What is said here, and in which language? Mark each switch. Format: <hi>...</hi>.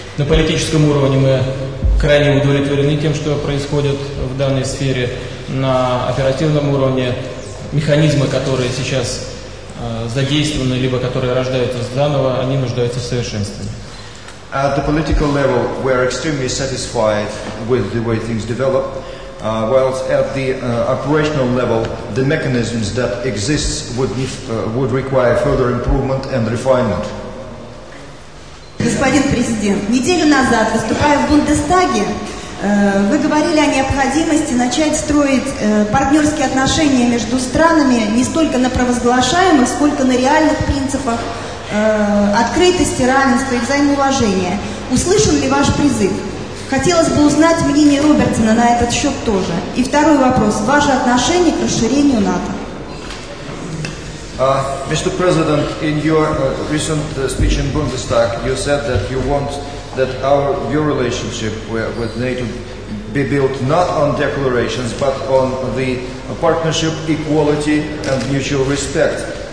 <ru>На политическом уровне мы крайне удовлетворены тем, что происходит в данной сфере. На оперативном уровне механизмы, которые сейчас задействованы, либо которые рождаются заново, они нуждаются в совершенствовании.</ru> <en>At the political level, we are extremely satisfied with the way things develop, while at the operational level, the mechanisms that exist would require further improvement and refinement.</en> <ru>Господин президент, неделю назад, выступая в Бундестаге, вы говорили о необходимости начать строить партнерские отношения между странами не столько на провозглашаемых, сколько на реальных принципах открытости, равенства и взаимоуважения. Услышан ли ваш призыв? Хотелось бы узнать мнение Робертсона на этот счет тоже. И второй вопрос. Ваше отношение к расширению НАТО?</ru> <en>Mr. President, in your recent speech in Bundestag, you said that you want that your relationship with NATO be built not on declarations, but on the partnership, equality, and mutual respect.</en>